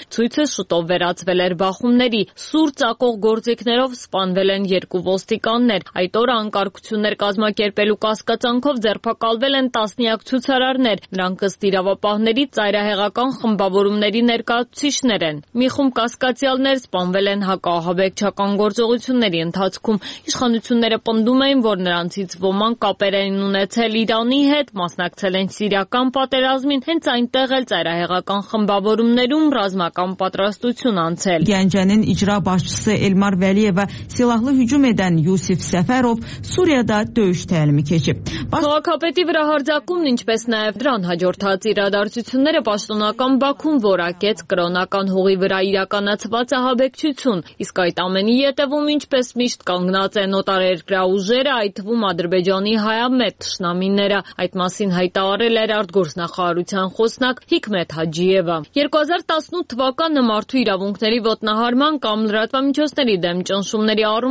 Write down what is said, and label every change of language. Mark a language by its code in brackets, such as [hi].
[hy] Ցույցը շուտով վերածվել էր բախումների, սուր ծակող գործիքներով սպանվել են երկու ոստիկաններ, այդ օրը անկարգություններ կազմակերպելու կասկածանքով ձերբակալվել են տասնյակ ցուցարարներ, նրանք ըստ իրավապահների ծայրահեղական խմբավորումների ներկայացուցիչներ են։ Մի խումբ կասկածյալներ սպանվել են հակահաբեկչական գործողությունների ընթացքում, իշխանությունները պնդում էին, որ նրանցից ոմանք կապեր են ունեցել Իրանի հետ, մասնակցել են սիրական պատերազմին, հենց այնտեղ էլ ծայրահեղական խմբավորումներում ռազմական պատրաստություն անցել։ [az] Գյանջանին իջրա başçısı Elmar Vəliyeva silahlı hücum edən Yusif Səfərov Suriyada döyüş təlimi keçib. [hy] Քաղաքապետի վրա հարձակումն, ինչպես նաև դրան հաջորդած իրադարձությունները պաշտոնական Բաքուն որակեց կրոնական հողի վրա իրականացված ահաբեկչություն, իսկ այդ ամենի ետևում, ինչպես միշտ կանգնած են օտարերկրաուժերը, այդ թվում Ադրբեջանի հայամետ շնամիները, այդ մասին հայտարարել էր արտգործնախարարության խոսնակ Հիքմետ Հաջիևը։ 2018 թվականը մարդու իրավունքների ոտնահարման կամ լրատվամիջոցների դեմ ճնշումների առումով